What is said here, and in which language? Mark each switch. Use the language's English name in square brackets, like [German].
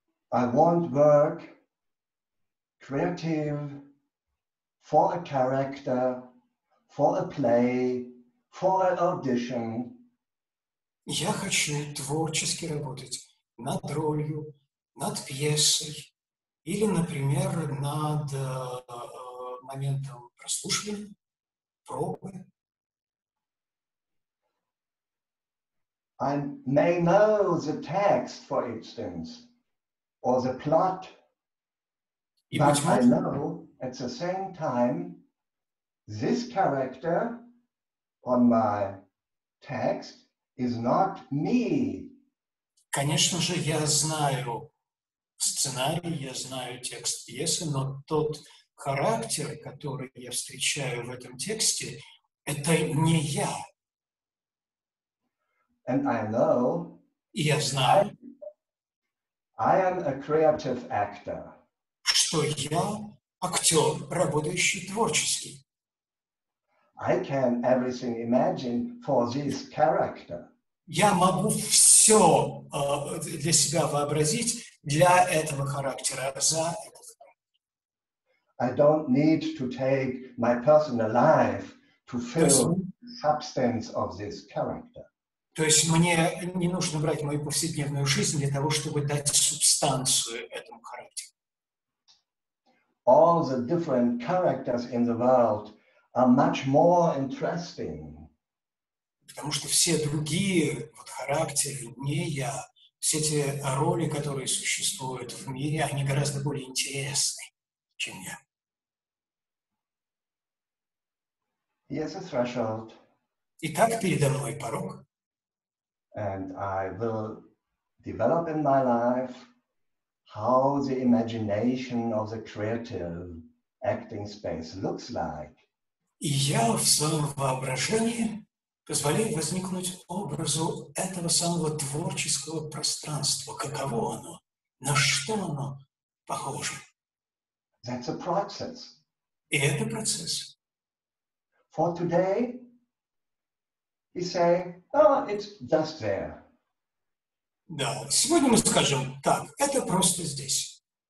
[English] I want work creative for a character, for a play, for an audition. [Russian] Я хочу творчески работать над ролью, над пьесой. Или, например, над моментом прослушивания, пробы. [English] I may know the text, for instance, or the plot, but I know at the same time this character on my text is not me. [Russian] Конечно же, я знаю сценарий, я знаю текст пьесы, но тот характер, который я встречаю в этом тексте, это не я. [English] And I know, [Russian] и я знаю, [English] I am a creative actor. [Russian] Что я актер, работающий творчески. [English] I can everything imagine for this character. [Russian] Я могу все для себя вообразить для этого характера, за этот характер. [English] I don't need to take my personal life to fill the substance of this character. [Russian] То есть мне не нужно брать мою повседневную жизнь для того, чтобы дать субстанцию этому характеру. [English] All the different characters in the world are much more interesting. [Russian] Потому что все другие вот характеры, не я, все эти роли, которые существуют в мире, они гораздо более интересны, чем я. [English] Yes, a threshold. [Russian] Итак, передо мной порог. [English] And I will develop in my life how the imagination of the creative acting space looks like. [Russian] И я в своем воображении позволяет возникнуть образу этого самого творческого пространства. Каково оно? На что оно похоже? [English] That's a process. [Russian] И это процесс. [English] For today, we say, oh, it's just there. [Russian] Да, сегодня мы скажем так, это просто здесь.